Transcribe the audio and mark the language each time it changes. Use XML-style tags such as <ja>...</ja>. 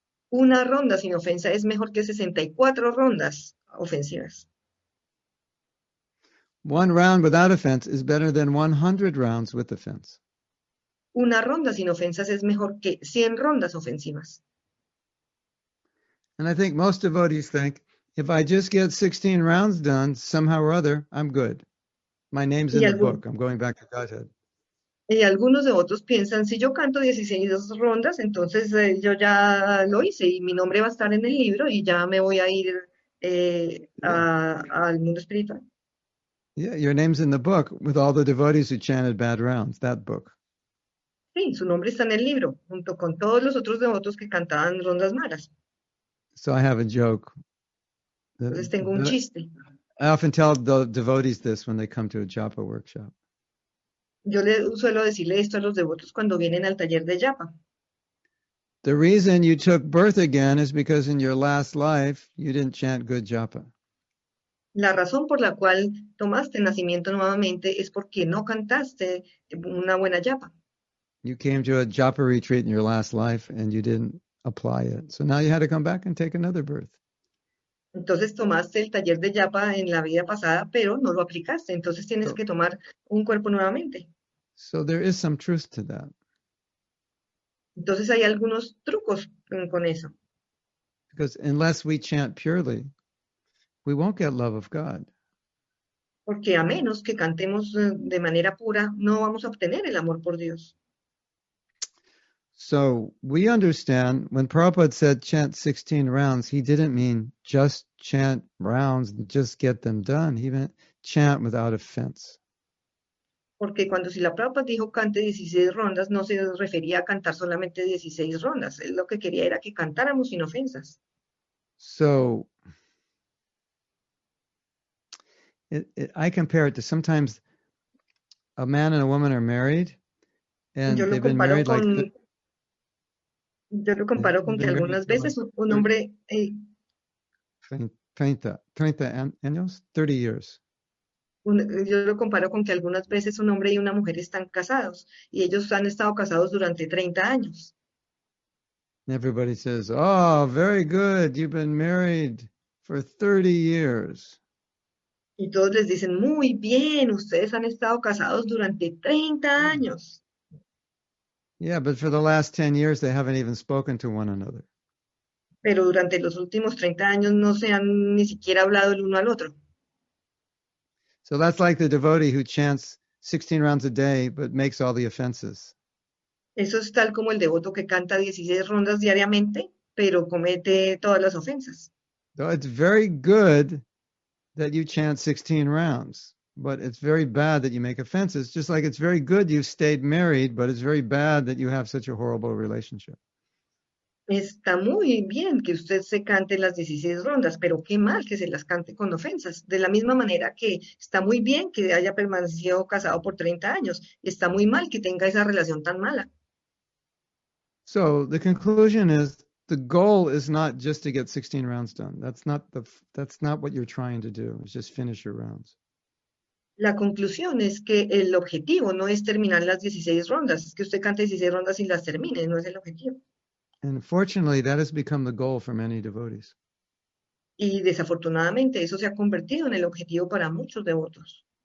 <es>Una ronda sin ofensa es mejor que 64 rondas ofensivas.</es> <en>One round without offense is better than 100 rounds with offense.</en> <es>Una ronda sin ofensas es mejor que 100 rondas ofensivas.</es> <en>And I think most devotees think, if I just get 16 rounds done, somehow or other, I'm good. My name's in the book. I'm going back to Godhead.</en> <es>Y algunos devotos piensan, si yo canto 16 rondas, entonces yo ya lo hice y mi nombre va a estar en el libro y ya me voy a ir al mundo espiritual.</es> <en>Yeah, your name's in the book with all the devotees who chanted bad rounds, that book.</en> <es>Sí, su nombre está en el libro, junto con todos los otros devotos que cantaban rondas malas.</es> <en>So I have a joke.</en> <es>Entonces tengo un chiste.</es> <en>I often tell the devotees this when they come to a japa workshop.</en> <es>Yo le suelo decirle esto a los devotos cuando vienen al taller de japa.</es> <en>The reason you took birth again is because in your last life you didn't chant good japa.</en> <es>La razón por la cual tomaste nacimiento nuevamente es porque no cantaste una buena japa.</es> <en>You came to a japa retreat in your last life and you didn't apply it. So now you had to come back and take another birth.</en> <es>Entonces tomaste el taller de japa en la vida pasada, pero no lo aplicaste. Entonces tienes que tomar un cuerpo nuevamente.</es> <en>So there is some truth to that.</en> <es>Entonces hay algunos trucos con eso.</es> <en>Because unless we chant purely, we won't get love of God.</en> <es>Porque a menos que cantemos de manera pura, no vamos a obtener el amor por Dios.</es> <en>So we understand when Prabhupada said chant 16 rounds, he didn't mean just chant rounds and just get them done. He meant chant without offense.</en> <es>Porque cuando si la Prabhupada dijo cante 16 rondas, no se refería a cantar solamente 16 rondas. Él lo que quería era que cantáramos sin ofensas.</es> <en>So I compare it to sometimes a man and a woman are married and</en> <es>yo lo</es> <en>they've been married</en> <es>con,</es> <en>like</en> <es>Yo lo comparo con que algunas veces un hombre... 30 años,</es> <en>30 years.</en> <es>Yo lo comparo con que algunas veces un hombre y una mujer están casados y ellos han estado casados durante 30 años.</es> <en>Everybody says, oh, very good, you've been married for 30 years.</en> <es>Y todos les dicen, muy bien, ustedes han estado casados durante 30 años.</es> <en>Yeah, but for the last 10 years they haven't even spoken to one another.</en> <es>Pero durante los últimos 30 años no se han ni siquiera hablado el uno al otro.</es> <en>So that's like the devotee who chants 16 rounds a day but makes all the offenses.</en> <es>Eso es tal como el devoto que canta 16 rondas diariamente, pero comete todas las ofensas.</es> <en>So it's very good that you chant 16 rounds, but it's very bad that you make offenses, just like it's very good you've stayed married, but it's very bad that you have such a horrible relationship.</en> <es>Está muy bien que usted se cante las 16 rondas, pero qué mal que se las cante con ofensas. De la misma manera que está muy bien que haya permanecido casado por 30 años, está muy mal que tenga esa relación tan mala.</es> <en>So the conclusion is the goal is not just to get 16 rounds done. That's not what you're trying to do. It's just finish your rounds.</en> <es>La conclusión es que el objetivo no es terminar las 16 rondas, es que usted cante 16 rondas y las termine, no es el objetivo.</es> <en>And fortunately, that has become the goal for many devotees.</en> <es>Y desafortunadamente, eso se ha convertido en el objetivo para muchos devotos.</es>